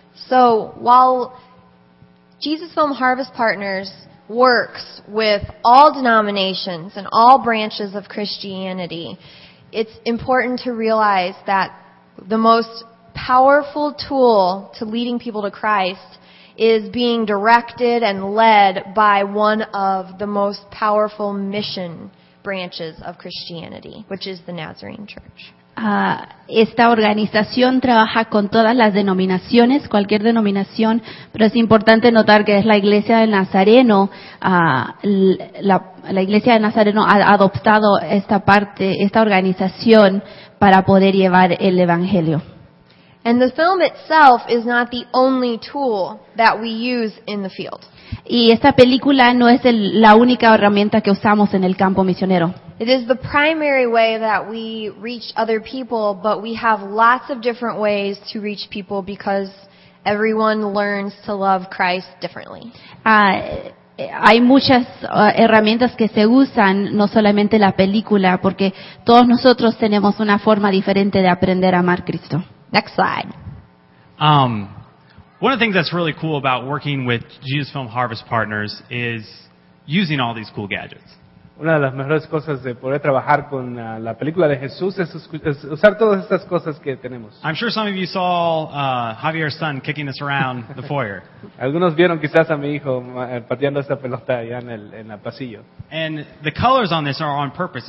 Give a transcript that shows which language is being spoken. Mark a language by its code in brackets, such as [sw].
[en] So, while Jesus Film Harvest Partners works with all denominations and all branches of Christianity, it's important to realize that the most powerful tool to leading people to Christ is being directed and led by one of the most powerful mission branches of Christianity, which is the Nazarene Church. [es] Esta organización trabaja con todas las denominaciones, cualquier denominación, pero es importante notar que es la Iglesia del Nazareno, la Iglesia del Nazareno ha adoptado esta parte, esta organización, para poder llevar el Evangelio. [en] And the film itself is not the only tool that we use in the field. [es] Y esta película no es la única herramienta que usamos en el campo misionero. [en] It is the primary way that we reach other people, but we have lots of different ways to reach people because everyone learns to love Christ differently. [es] hay muchas herramientas que se usan, no solamente la película, porque todos nosotros tenemos una forma diferente de aprender a amar a Cristo. [en] Next slide. One of the things that's really cool about working with Jesus Film Harvest Partners is using all these cool gadgets. [es] Una de las mejores cosas de poder trabajar con la película de Jesús es usar todas estas cosas que tenemos. [en] I'm sure some of you saw Javier's son kicking this around the foyer. [es] Algunos vieron quizás a mi hijo pateando esta pelota allá en el pasillo. [en] And the colors on this are on purpose.